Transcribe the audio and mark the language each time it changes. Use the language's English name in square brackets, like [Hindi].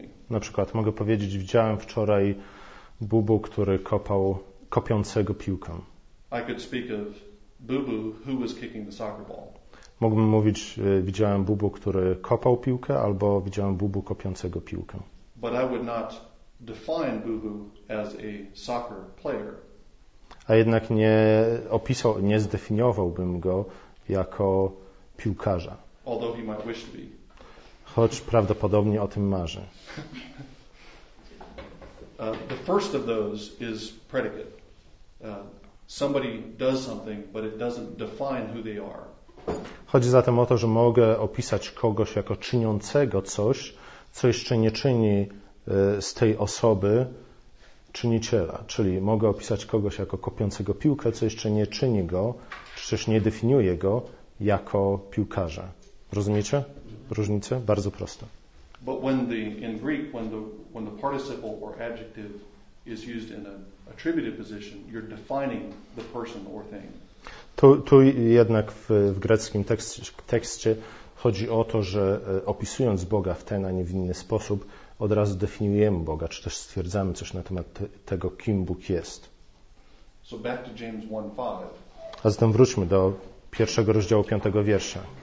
[Polish] Na przykład mogę powiedzieć, widziałem wczoraj Bubu, który kopał kopiącego piłkę. [English] I could speak of Boo-Boo who was kicking the soccer ball. [Polish] Mógłbym mówić, widziałem Bubu, który kopał piłkę, albo widziałem Bubu kopiącego piłkę. [English] But I would not define Boo-Boo as a soccer player. [Polish] A jednak nie zdefiniowałbym go jako piłkarza. [English] Although he might wish to be. [Polish] choć prawdopodobnie o tym marzy. [English] The first of those is predicate. Somebody does something, but it doesn't define who they are. [Polish] Chodzi zatem o to, że mogę opisać kogoś jako czyniącego coś, co jeszcze nie czyni z tej osoby czyniciela. Czyli mogę opisać kogoś jako kopiącego piłkę, co jeszcze nie czyni go, czy też nie definiuje go jako piłkarza. Rozumiecie różnicę? Bardzo prosto. [English] But when the, in Greek, when the participle or adjective is used in an attributive position, you're defining the person or thing. [Polish] Tu jednak w greckim tekście chodzi o to, że opisując Boga w ten, a nie w inny sposób, od razu definiujemy Boga, czy też stwierdzamy coś na temat tego, kim Bóg jest. [English] So back to James 1:5. [Polish] A zatem wróćmy do pierwszego rozdziału, piątego wiersza.